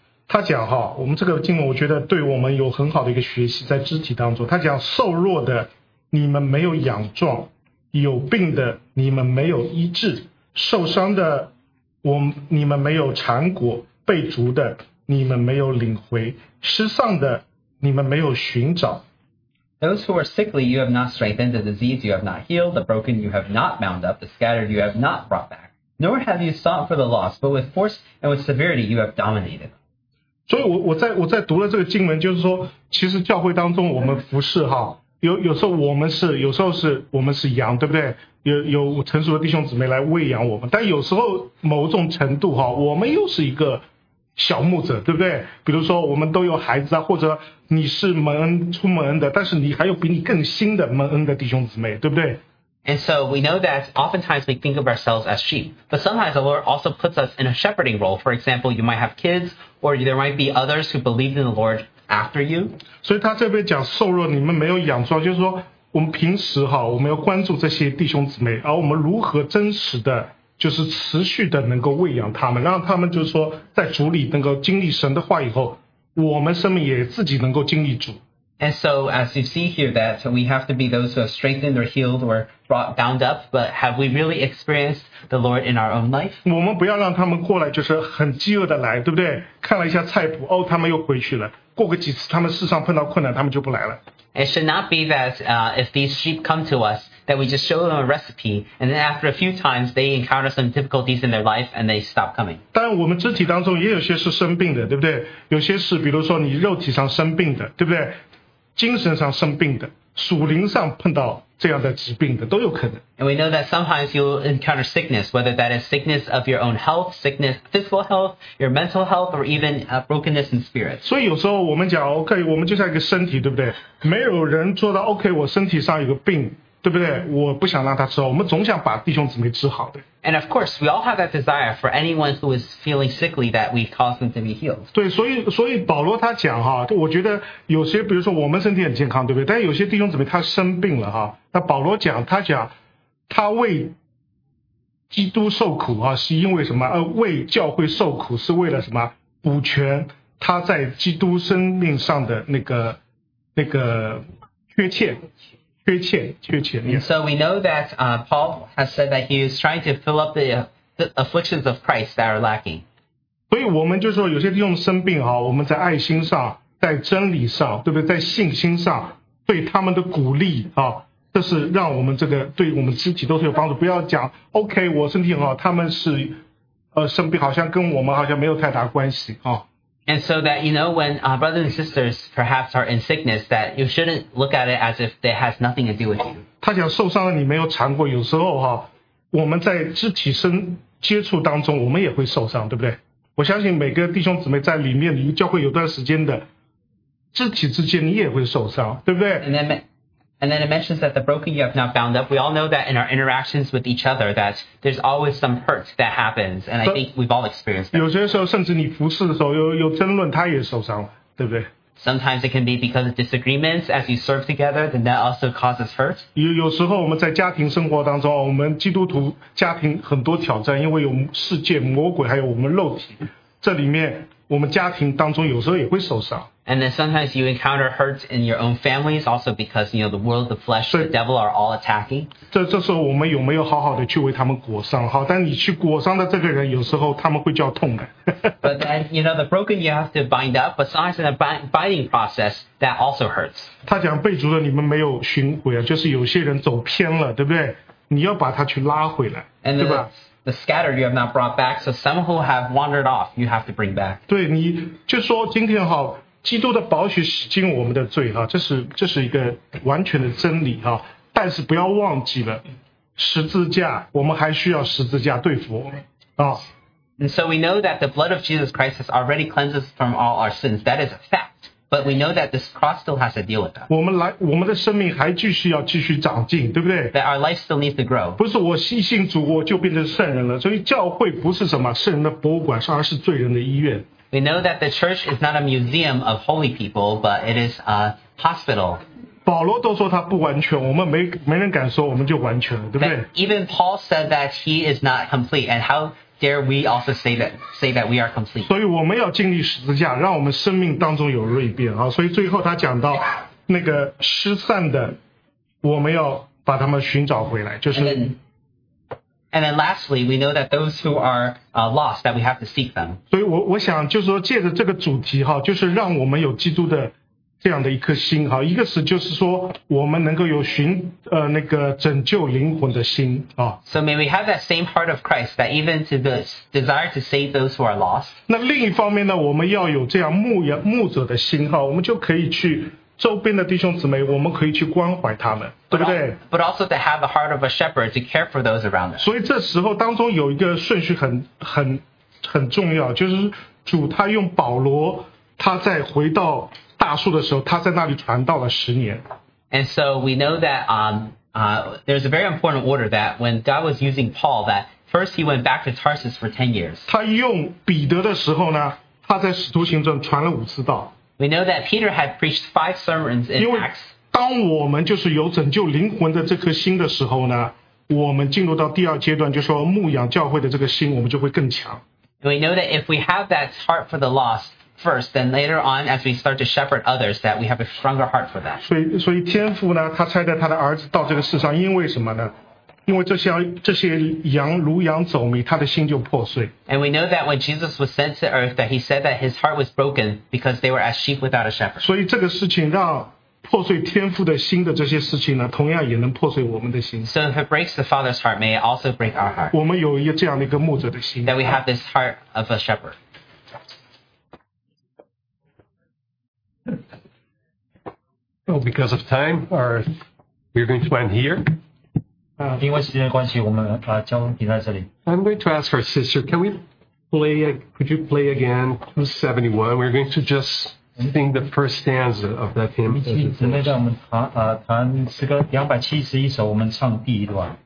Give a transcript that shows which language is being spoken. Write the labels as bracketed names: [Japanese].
[Chinese] 他讲哈，我们这个经文我觉得对我们有很好的一个学习，在肢体当中他讲，瘦弱的你们没有养壮，有病的你们没有医治，受伤的你们没有缠裹，被逐的你们没有领回，失丧的你们没有寻找。 [English] Those who are sickly you have not strengthened, the disease you have not healed, the broken you have not bound up, the scattered you have not brought back, nor have you sought for the lost, but with force and with severity you have dominated. [Chinese] 所以我在读了这个经文，就是说其实教会当中我们服侍哈，有时候我们是羊，对不对？有成熟的弟兄姊妹来喂养我们，但有时候某种程度哈，我们又是一个小牧者，对不对？比如说我们都有孩子啊，或者你是蒙恩出蒙恩的，但是你还有比你更新的蒙恩的弟兄姊妹，对不对？ [English] And so we know that oftentimes we think of ourselves as sheep, but sometimes the Lord also puts us in a shepherding role. For example, you might have kids, or there might be others who believe in the Lord after you. [Chinese] 所以他这边讲瘦弱你们没有养壮，就是说我们平时哈，我们要关注这些弟兄姊妹，而我们如何真实的就是持续的能够喂养他们，让他们就是说在主里能够经历神的话以后，我们生命也自己能够经历主。 [English] And so as you see here that we have to be those who have strengthened or healed or brought bound up, but have we really experienced the Lord in our own life? [Chinese] 我们不要让他们过来就是很饥饿的来，对不对？看了一下菜谱，哦，他们又回去了。过个几次，他们世上碰到困难，他们就不来了。 [English] It should not be that if these sheep come to us, that we just show them a recipe, and then after a few times, they encounter some difficulties in their life, and they stop coming. [Chinese] 当然我们肢体当中也有些是生病的，对不对？有些是比如说你肉体上生病的，对不对？精神上生病的。属灵上碰到这样的疾病的都有可能。 [English] And we know that sometimes you encounter sickness, whether that is sickness of your own health, sickness physical health, your mental health, or even a brokenness in spirit. [Chinese] 所以有时候我们讲 OK, 我们就像一个身体，对不对？没有人做到 OK, 我身体上有个病。对不对？我不想让他知道。我们总想把弟兄姊妹治好的。 [English] And of course, we all have that desire for anyone who is feeling sickly that we cause them to be healed. [Chinese] 对，所以保罗他讲哈，我觉得有些，比如说我们身体很健康，对不对？但有些弟兄姊妹他生病了哈，那保罗讲，他讲他为基督受苦啊，是因为什么？为教会受苦是为了什么？补全他在基督生命上的那个缺欠。 [English] And so we know that Paul has said that he is trying to fill up the afflictions of Christ that are lacking. [Chinese] 所以我们就说有些弟兄生病哈，我们在爱心上，在真理上，对不对？在信心上，对他们的鼓励啊，这是让我们这个对我们自己都是有帮助。不要讲 OK, 我身体很好，他们是生病，好像跟我们好像没有太大关系啊。 [English] And so that, you know, when brothers and sisters perhaps are in sickness, that you shouldn't look at it as if it has nothing to do with you. [Chinese] 他讲受伤了你没有尝过，有时候哈，我们在肢体身接触当中，我们也会受伤，对不对？我相信每个弟兄姊妹在里面一个教会有段时间的肢体之间，你也会受伤，对不对？ [English] And then it mentions that the broken you have not bound up. We all know that in our interactions with each other that there's always some hurt that happens. And I think we've all experienced that. [Chinese] 有些时候甚至你服侍的时候有争论他也受伤了，对不对？ [English] Sometimes it can be because of disagreements as you serve together, then that also causes hurt. [Chinese] 有时候我们在家庭生活当中，我们基督徒家庭很多挑战，因为有世界魔鬼还有我们肉体，这里面我们家庭当中有时候也会受伤。 [English] And then sometimes you encounter hurts in your own families also because, you know, the world, the flesh, the devil are all attacking. [Chinese] 这时候我们有没有好好的去为他们裹伤？好，但你去裹伤的这个人，有时候他们会叫痛的。 [English] But then, you know, the broken you have to bind up, but sometimes in a binding process, that also hurts. [Chinese] 他讲被逐的你们没有寻回啊，就是有些人走偏了，对不对？你要把他去拉回来，对吧？ [English] The scattered you have not brought back, so some who have wandered off, you have to bring back. [Chinese] 对，你就说今天好，基督的宝血洗净我们的罪哈，这是一个完全的真理哈。但是不要忘记了十字架，我们还需要十字架对付我们啊。 [English] And so we know that the blood of Jesus Christ has already cleansed us from all our sins. That is a fact. But we know that this cross still has to deal with that. [Chinese] 我们的生命还继续要继续长进，对不对 [English] ？That our life still needs to grow. [Chinese] 不是我一信主我就变成圣人了，所以教会不是什么圣人的博物馆，而是罪人的医院。 [English] We know that the church is not a museum of holy people, but it is a hospital. [Chinese] 保罗都说他不完全，我们没人敢说我们就完全了，对不对 [English] ？Even Paul said that he is not complete, and how dare we also say that we are complete? [Chinese] 所以我们要经历十字架，让我们生命当中有蜕变啊！所以最后他讲到那个失散的，我们要把他们寻找回来，就是。 [English] And then lastly, we know that those who are lost, that we have to seek them. [Chinese] 所以我想就是说借着这个主题哈，就是让我们有基督的这样的一颗心哈。一个是就是说我们能够有寻那个拯救灵魂的心啊。 [English] So may we have that same heart of Christ that even to the desire to save those who are lost. [Chinese] 那另一方面呢，我们要有这样牧者的心哈，我们就可以去。周边的弟兄姊妹，我们可以去关怀他们，对不对 [English] ？But also to have the heart of a shepherd to care for those around us. [Chinese] 所以这时候当中有一个顺序很重要，就是主他用保罗，他在回到大树的时候，他在那里传道了十年。 [English] And so we know that there's a very important order that when God was using Paul, that first he went back to Tarsus for 10 years. [Chinese] 他用彼得的时候呢，他在使徒行传传了五次道。 [English] We know that Peter had preached 5 sermons in Acts. [Chinese] 当我们就是有拯救灵魂的这颗心的时候呢，我们进入到第二阶段，就说牧养教会的这个心，我们就会更强。 [English] We know that if we have that heart for the lost first, then later on, as we start to shepherd others, that we have a stronger heart for that. [Chinese] 所以天父呢，他差派他的儿子到这个世上，因为什么呢？因为这些羊如羊走迷，他的心就破碎。 [English] And we know that when Jesus was sent to earth, that he said that his heart was broken because they were as sheep without a shepherd. [Chinese] 所以这个事情让破碎天父的心的这些事情呢，同样也能破碎我们的心。 [English] So if it breaks the Father's heart, may it also break our heart. [Chinese] 我们有一个这样的一个牧者的心。 [English] That we have this heart of a shepherd. So because of time, we're going to end here. [Chinese] 因为时间关系，我们将停在这里。 [English] I'm going to ask our sister, could you play again 271? We're going to just sing the first stanza of that hymn. [Chinese] 姊妹在我们弹诗歌271首，我们唱第一段。